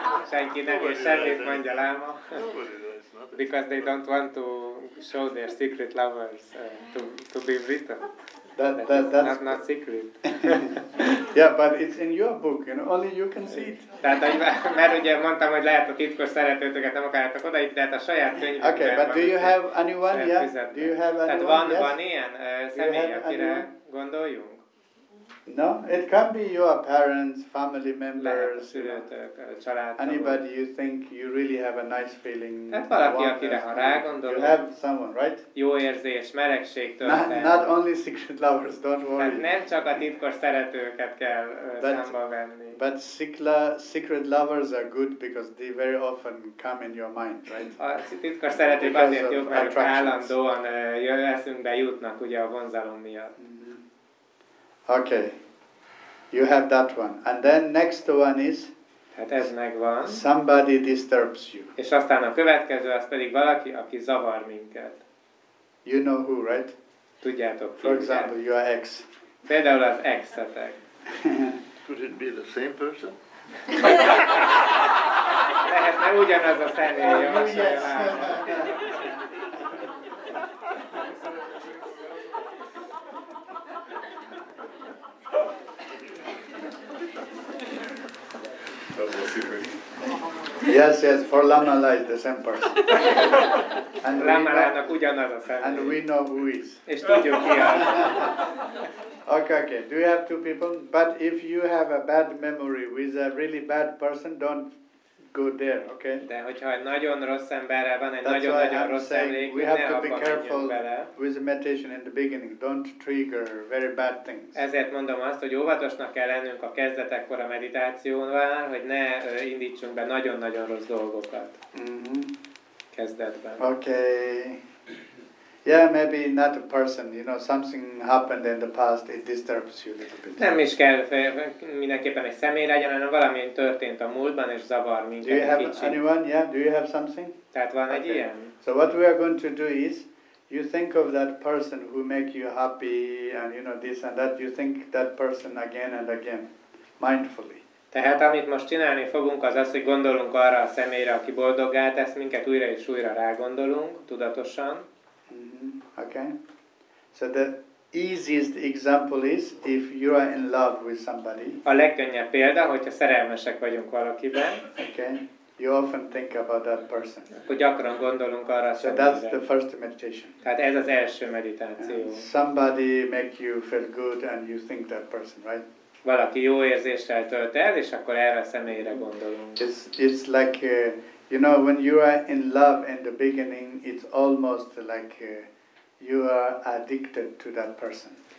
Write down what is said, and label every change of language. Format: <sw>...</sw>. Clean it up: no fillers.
<hu>Senki nem is semmit mondja láma.</hu> <en>Because they don't want to show their secret lovers to be written. That's not secret. Yeah, but it's in your book, you know, only you can see it.</en> <hu>Tehát, mert ugye mondtam, hogy lehet a titkos szeretőtöket nem akarjátok oda, de hát a saját könyvben.</hu> <en>Okay, but do you have anyone? Yeah. Do you have anyone?</en> <hu>Tehát van ilyen személy, akire gondoljunk?</hu> <en>No, it can be your parents, family members.</en> <hu>Lehet a szülőtök, a családtagok.</hu> <en>Anybody you think you really have a nice feeling.</en> <hu>Tehát valaki, akire ha rá gondolunk.</hu> <en>You have someone, right?</en> <hu>Jó érzés, melegség történt.</hu> <en>Not only secret lovers, don't worry.</en> <hu>Tehát nem csak a titkos szeretőket kell számba venni.</hu> <en>But secret lovers are good because they very often come in your mind, right?</en> <hu>A titkos szeretők azért jók, mert állandóan eszünkbe jutnak ugye a vonzalom miatt.</hu> <en>Okay. You have that one. And then next one is</en> <hu>hát ez megvan.</hu> <en>Somebody disturbs you.</en> <hu>És aztán a következő az pedig valaki, aki zavar minket.</hu> <en>You know who, right?</en> <hu>Tudjátok ki.</hu> <en>For example, your ex.</en> <hu>Például az ex-etek.</hu> <en>Could it be the same person?</en> <hu>Lehetne ugyanaz a személy, a saját állam.</hu> <en>Yes, yes, for Lamala is the same person.</en> <hu>Lamalának ugyanaz a személy.</hu> <en>And we know who is.</en> <hu>És tudjuk ki az.</hu> <en>Okay, okay. Do you have two people? But if you have a bad memory with a really bad person, don't go there, okay?</en> <hu>De hogyha egy nagyon rossz emberrel van, egy nagyon-nagyon rossz emlék,</hu> <en>we have to be careful with meditation in the beginning. Don't trigger very bad things.</en> <hu>Ezért mondom azt, hogy óvatosnak kell lennünk a kezdetekkor a meditációval, hogy ne indítsunk be nagyon-nagyon rossz dolgokat. Kezdetben.</hu> <en>Okay. Yeah, maybe not a person, you know, something happened in the past, it disturbs you a little bit.</en> <hu>Nem is kell mindenképpen egy személy legyen, hanem valami történt a múltban, és zavar minket.</hu> <en>Do you have anyone? Yeah, do you have something?</en> <hu>Tehát van egy ilyen?</hu> <en>So what we are going to do is, you think of that person who make you happy, and you know, this and that, you think that person again and again, mindfully.</en> <hu>Tehát amit most csinálni fogunk, az az, hogy gondolunk arra a személyre, aki boldoggá tesz minket, újra és újra rágondolunk, tudatosan.</hu> <en>Okay. So the easiest example is if you are in love with somebody.</en> <hu>A legkönnyebb példa, hogyha szerelmesek vagyunk valakiben.</hu> <en>Okay. You often think about that person.</en> <hu>Akkor gyakran gondolunk arra.</hu> <en>So that's the first meditation.</en> <hu>Tehát ez az első meditáció.</hu> <en>And somebody make you feel good and you think that person, right?</en> <hu>Valaki jó érzéssel tölt el, és akkor erre a személyre gondolunk.</hu> <en>It's like you know, when you are in love in the beginning, it's almost like you are addicted to that person.</en>